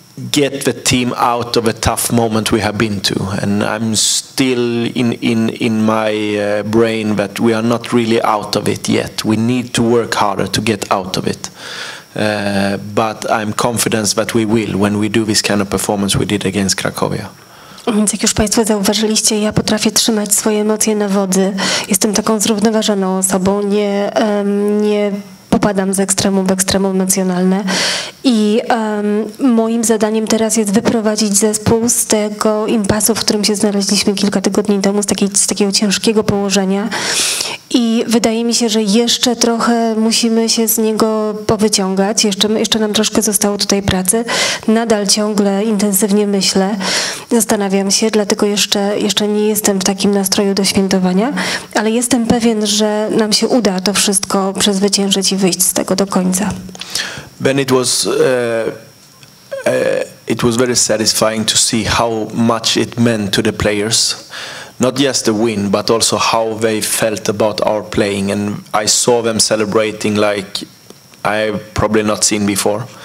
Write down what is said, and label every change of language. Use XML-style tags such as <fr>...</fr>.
<en>get the team out of a tough moment we have been to, and I'm still in my brain that we are not really out of it yet. We need to work harder to get out of it, but I'm confident that we will when we do this kind of performance we did against Cracovia.</en> <pl>Więc jak już Państwo zauważyliście, ja potrafię trzymać swoje emocje na wodzy. Jestem taką zrównoważoną osobą, nie popadam z ekstremum w ekstremum emocjonalne. I moim zadaniem teraz jest wyprowadzić zespół z tego impasu, w którym się znaleźliśmy kilka tygodni temu, z takiego ciężkiego położenia. I wydaje mi się, że jeszcze trochę musimy się z niego powyciągać. Jeszcze nam troszkę zostało tutaj pracy. Nadal ciągle intensywnie myślę, zastanawiam się, dlatego jeszcze nie jestem w takim nastroju do świętowania, ale jestem pewien, że nam się uda to wszystko przezwyciężyć i wyjść z tego do końca.</pl> <en>Ben, it was very satisfying to see how much it meant to the players. Not just the win, but also how they felt about our playing, and I saw them celebrating like I've probably not seen before.</en>